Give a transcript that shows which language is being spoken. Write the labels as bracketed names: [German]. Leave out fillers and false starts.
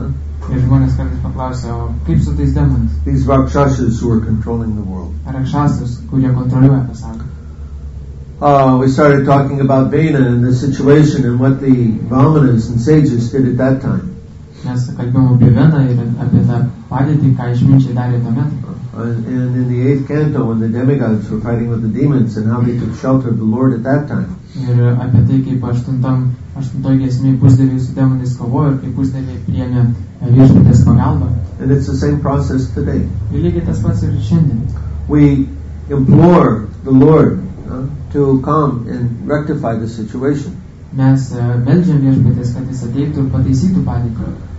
[Lithuanian] Ir žmonės kartais paklausia, o kaip su tais demonais? [English] These rakshasas who are controlling the world. [Lithuanian] Rakshasas, kurie kontroliuoja pasaulį. [English] We started talking about Vena and the situation and what the brahmanas and sages did at that time. [Lithuanian] Mes kalbėjom apie Veną ir apie tą padėtį, ką išminčiai darė tuo metu. [English] And in the 8th canto, when the demigods were fighting with the demons and how they took shelter of the Lord at that time. [Lithuanian] Ir apie tai, kaip aštuntoj giesmėj pusdieviai su demonais kovojo ir kaip pusdieviai priėmė viešpaties pagalbą. [English] And it's the same process today. [Lithuanian] Ir lygiai tas pats ir šiandien. [English] We implore the Lord to come and rectify the situation. [Lithuanian] Mes meldžiam viešpaties, kad jis ateitų ir pataisytų padėtį.